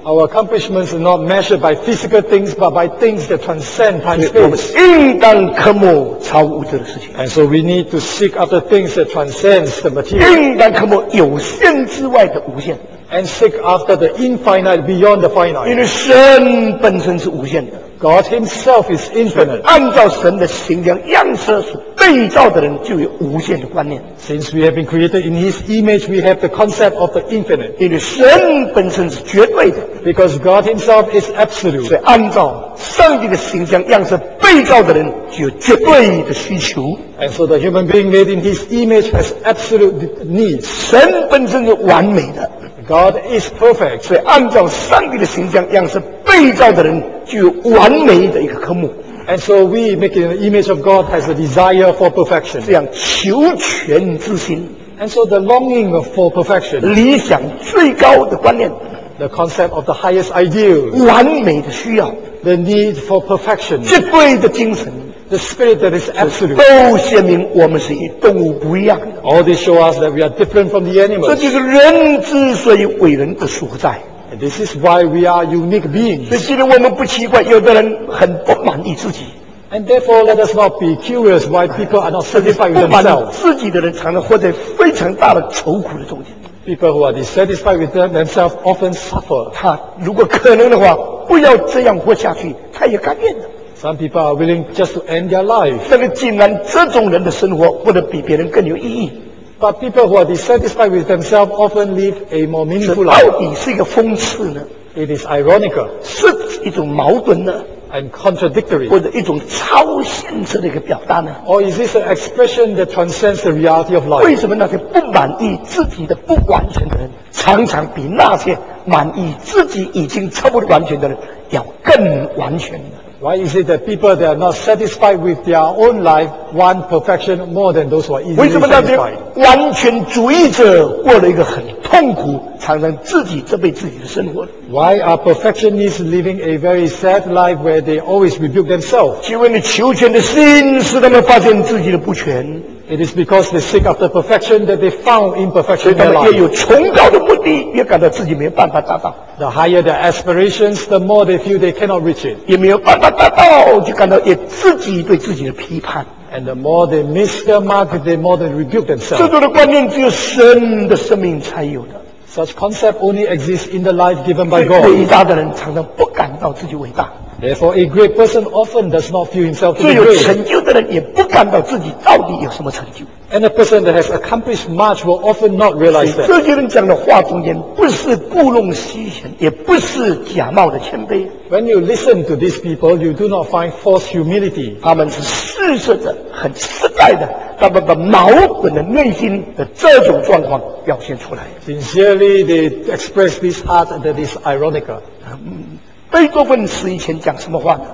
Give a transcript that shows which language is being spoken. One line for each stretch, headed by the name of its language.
English: Our accomplishments are not measured by physical things but by things that transcend time space.
Chinese: 我们应当渴慕超物质的事情。
English: And so we need to seek after things that transcend the material.
Chinese: 应当渴慕有限之外的无限。
English: And seek after the infinite beyond the finite.
Chinese: 因为神本身是无限的。
English: God Himself is infinite.
Chinese: 按照神的形象样式所被造的人就有无限的观念。
English: Since we have been created in His image, we have the concept of the infinite.
Chinese: 因为神本身是绝对的。
English: Because God Himself is absolute.
Chinese: 所以按照上帝的形象样式被被造的人有绝对的需求。
English: And so the human being made in His image has absolute needs.
Chinese: 神本身是完美的。
English: God is perfect.
Chinese: 所以按照上帝的形象样式被造的人具有完美的一个科目。
English: And so we make it in the image of God has a desire for perfection.
Chinese: 这样求全之心。
English: And so the longing for perfection.
Chinese: 理想最高的观念。
English: The concept of the highest ideal.
Chinese: 完美的需要。
English: The need for perfection.
Chinese: 绝对的精神。
English: The spirit that is absolute.
Chinese: 都显明我们是与动物不一样。
English: All this show us that we are different from the animals.
Chinese: 这就是人之所以伟人的所在。
English: And this is why we are unique beings.
Chinese: 所以今天我们不奇怪有的人很不满意自己。
English: And therefore, let us not be curious why people are not satisfied with themselves.
Chinese: 不满自己的人常常活在非常大的愁苦的中间。
English: People who are dissatisfied with themselves often suffer.
Chinese: 他如果可能的话，不要这样活下去，他也甘愿的。
English: Some people are willing just to end their life.
Chinese: 但是竟然这种人的生活活得比别人更有意义。
English: But people who are dissatisfied with themselves often live a more meaningful life.
Chinese: 到底是一个讽刺呢？
English: It is ironical.
Chinese: 是一种矛盾呢？
English: And contradictory.
Chinese: 或者一种超现实的一个表达呢？
English: Or is this an expression that transcends the reality of life?
Chinese: 为什么那些不满意自己的不完全的人，常常比那些满意自己已经差不多完全的人要更完全呢？
English: Why is it that people that are not satisfied with their own life want perfection more than those who are easily satisfied?
Chinese: 为什么那些完全主义者过了一个很痛苦，常常自己责备自己的生活？
English: Why are perfectionists living a very sad life where they always rebuke themselves?
Chinese: 因为你求全的心使他们发现自己的不全。
English: It is because they seek after perfection that they found imperfection in their life.
Chinese: 所以他们越有崇高的目的，越感到自己没有办法达到。
English: The higher their aspirations, the more they feel they cannot reach it.
Chinese: 也没有办法达到，就感到也自己对自己的批判。
English: And the more they miss their mark, the more they rebuke themselves.
Chinese: 这种的观念只有神的生命才有的。
English: Such concept only exists in the life given by God.
Chinese: 伟大的人常常不感到自己伟大。
English: Therefore, a great person often does not feel himself to be great.
Chinese: 最有成就的人也不感到自己到底有什么成就。
English: And a person that has accomplished much will often not realize that.
Chinese: 这些人讲的话中间不是故弄虚玄，也不是假冒的谦卑。
English: When you listen to these people, you do not find false humility.
Chinese: 他们是事实的，很实在的。他们把矛盾的内心的这种状况表现出来。
English: Sincerely, they express this heart that is ironical.
Chinese: 贝多芬死以前讲什么话呢？